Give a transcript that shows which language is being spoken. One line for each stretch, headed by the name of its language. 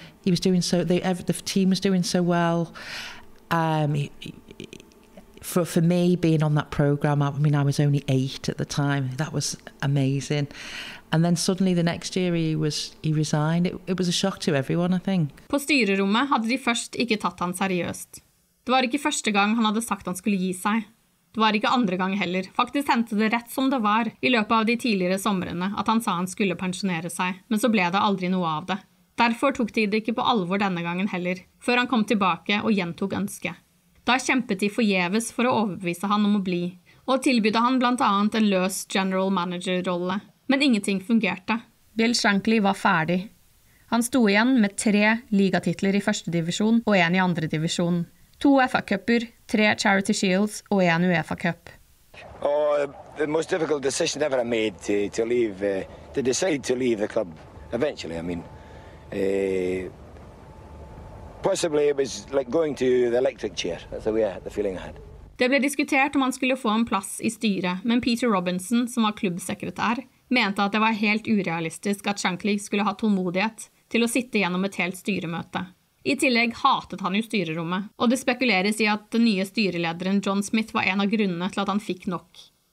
English: He was doing so, the team was doing so well. for me, being on that programme, I mean, I was only eight at the time. That was amazing. And then suddenly the next year he resigned. It was a shock to everyone, I think.
Norwegian: På styrerommet hadde de først ikke tatt han seriøst. Det var ikke første gang han hadde sagt han skulle gi seg. Det var ikke andre gang heller. Faktisk hendte det rett som det var i løpet av de tidligere somrene at han sa han skulle pensjonere seg, men så ble det aldri noe av det. Derfor tok de det ikke på alvor denne gangen heller, før han kom tilbake og gjentok ønsket. Da kjempet de forgjeves for å overbevise han om å bli, og tilbydde han blant annet en løs general manager-rolle. Men ingenting fungerte. Bill Shankly var ferdig. Han sto igjen med tre ligatitler i første divisjon og en i andre divisjon. To FA-cupper, tre Charity Shields og en UEFA-cup.
English: Oh, the most difficult decision ever I made to leave, to decide to leave the club, eventually, I mean. Possibly it was like going to the electric chair. That's the way I had the feeling I had.
Norwegian: Det ble diskutert om han skulle få en plass i styret, men Peter Robinson, som var klubbsekretær, mente at det var helt urealistisk at Shankly skulle ha tålmodighet til å sitte gjennom et helt styremøte. I tillegg hatet han jo styrerommet, og det spekuleres i at den nye styrelederen John Smith var en av grunnene til at han fikk nok.